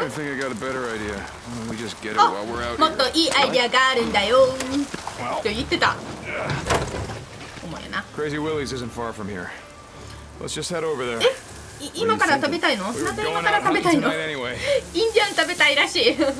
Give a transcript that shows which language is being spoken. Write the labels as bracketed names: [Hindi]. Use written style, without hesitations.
[English] I think I got a better idea. We just get it while we're out [Japanese] here. もっといいアイディアがあるんだよ。と言ってた。お前な。 [English] Crazy Willy's isn't far from here. Let's just head over there. [Japanese] え、今から食べたいの？また今から食べたいの？インディアン食べたいらしい。